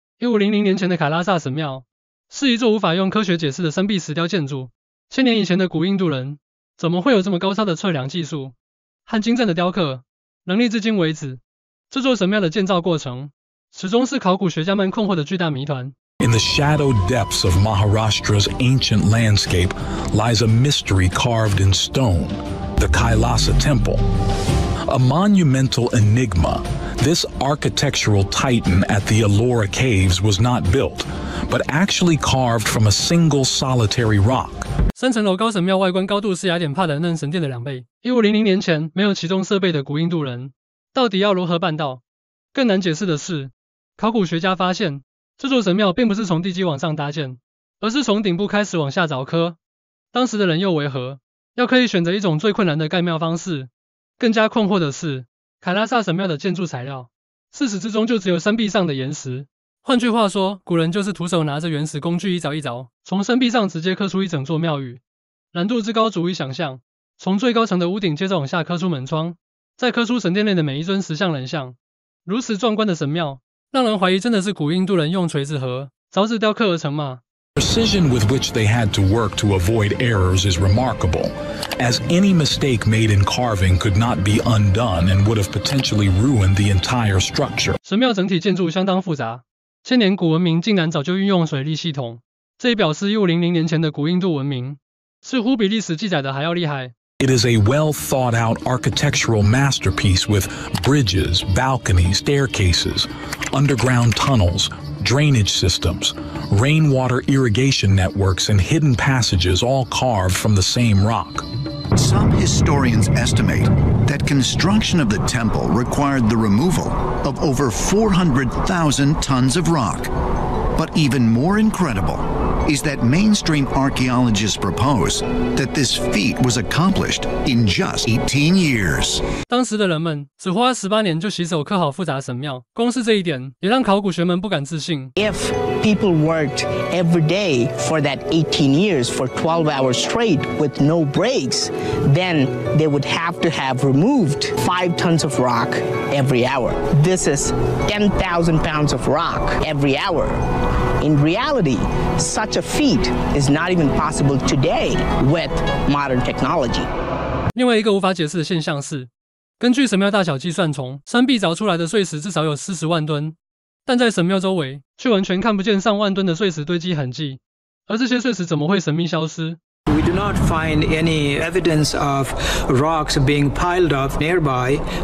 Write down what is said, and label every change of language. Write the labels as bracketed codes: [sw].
[zh] 1500年前的凯拉萨神庙是一座无法用科学解释的山壁石雕建筑。 1000年以前的古印度人怎么会有这么高超的测量技术和精湛的雕刻能力？至今为止，这座神庙的建造过程始终是考古学家们困惑的巨大谜团。 [en] In the shadowed depths of Maharashtra's ancient landscape lies a mystery carved in stone, the Kailasa Temple. A monumental enigma, this architectural titan at the Ellora Caves was not built, but actually carved from a single solitary rock. [zh] 3层楼高神庙外观高度是雅典帕兰嫩神殿的2倍。1500年前没有起重设备的古印度人到底要如何办到？更难解释的是，考古学家发现这座神庙并不是从地基往上搭建，而是从顶部开始往下凿刻。当时的人又为何要刻意选择一种最困难的盖庙方式？更加困惑的是，凯拉萨神庙的建筑材料自始至终就只有山壁上的岩石。换句话说，古人就是徒手拿着原始工具一凿一凿，从山壁上直接刻出一整座庙宇。难度之高足以想象，从最高层的屋顶接着往下刻出门窗，再刻出神殿内的每一尊石像人像。如此壮观的神庙让人怀疑，真的是古印度人用锤子和凿子雕刻而成吗？ [en] Precision with which they had to work to avoid errors is remarkable, as any mistake made in carving could not be undone and would have potentially ruined the entire structure. [zh] 神庙整体建筑相当复杂，千年古文明竟然早就运用水利系统，这也表示1500年前的古印度文明似乎比历史记载的还要厉害。 [en] It is a well-thought-out architectural masterpiece with bridges, balconies, staircases, underground tunnels, drainage systems, rainwater irrigation networks, and hidden passages all carved from the same rock. Some historians estimate that construction of the temple required the removal of over 400,000 tons of rock. But even more incredible is that mainstream archaeologists propose that this feat was accomplished in just 18 years. [zh] 当时的人们只花了18年就洗手刻好复杂神庙，光是这一点也让考古学们不敢置信。 [en] If people worked every day for that 18 years for 12 hours straight with no breaks, then they would have to have removed 5 tons of rock every hour. This is 10,000 pounds of rock every hour. In reality, such a feat is not even possible today with modern technology. [zh] 另外一个无法解释的现象是，根据神庙大小计算，从山壁凿出来的碎石至少有40万吨，但在神庙周围却完全看不见上万吨的碎石堆积痕迹。而这些碎石怎么会神秘消失？ [en] We do not find any evidence of rocks being piled up nearby.